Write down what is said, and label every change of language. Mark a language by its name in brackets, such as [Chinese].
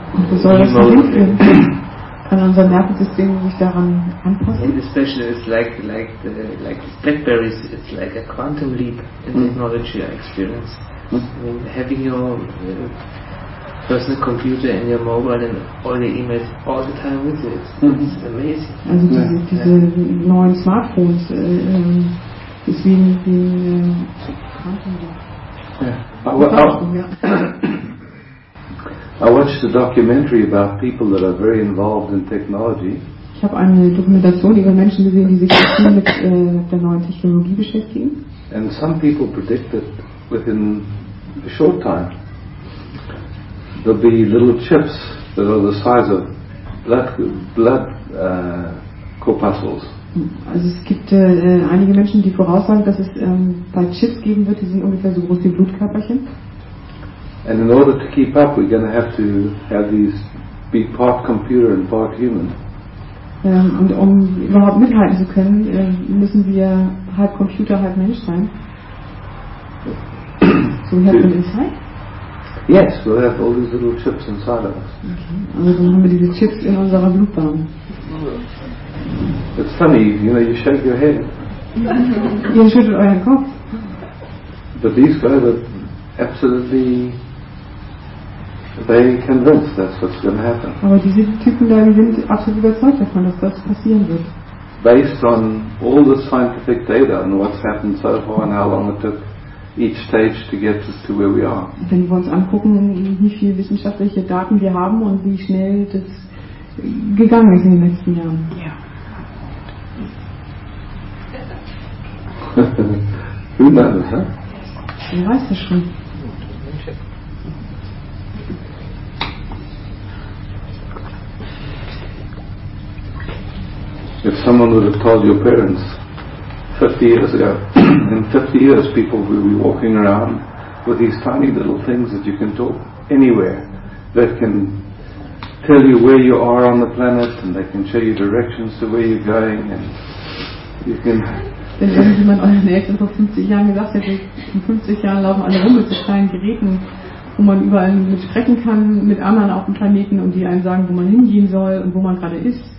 [German] Wo soll das hinführen? Kann unser Nervensystem sich daran anpassen? [English] And especially it's like Blackberries, it's like a quantum leap in technology I experience. Mm. I mean, having your personal computer and your mobile and all the emails all the time with it, it's amazing. [German] Also diese neuen Smartphones, ist wie ein quantum [English] leap. I watched a documentary about people that are very involved in technology. [German] Ich habe eine Dokumentation über Menschen gesehen, die sich viel mit der neuen Technologie beschäftigen. [English] And some people predict that within a short time there'll be little chips that are the size of blood corpuscles. [German] Also es gibt einige Menschen, die voraussagen, dass es bald Chips geben wird, die sind ungefähr so groß wie Blutkörperchen. [English] And in order to keep up, we're going to have these be part computer and part human. [German] Und um überhaupt mithalten zu können, müssen wir halb Computer, halb Mensch sein. So wie hat man den Zeit? [English] Yes, we have all these little chips inside of us. Okay. [German] Also, haben wir diese Chips in unserer Blutbahn. [English] It's funny, you know, you shake your head. [German] Ihr schüttelt euren Kopf. [English] But these guys are absolutely, they convinced that's what's going to happen. [German] Aber diese Typen da, die sind absolut überzeugt davon, dass das passieren wird. [English] Based on all the scientific data and what's happened so far and how long it took each stage to get us to where we are. [German] Wenn wir uns angucken, wie viel wissenschaftliche Daten wir haben und wie schnell das gegangen ist in den letzten Jahren. Ja. [English] Who knows, huh? [German] Wer weiß das schon? [English] If someone would have told your parents 50 years ago, in 50 years people will be walking around with these tiny little things that you can talk anywhere, that can tell you where you are on the planet, and they can show you directions to where you're going, and you can... [German] Wenn jemand euren Eltern vor 50 Jahren gesagt hätte, in 50 Jahren laufen alle rum mit so kleinen Geräten, wo man überall mit sprechen kann, mit anderen auf dem Planeten, und die einem sagen, wo man hingehen soll und wo man gerade ist.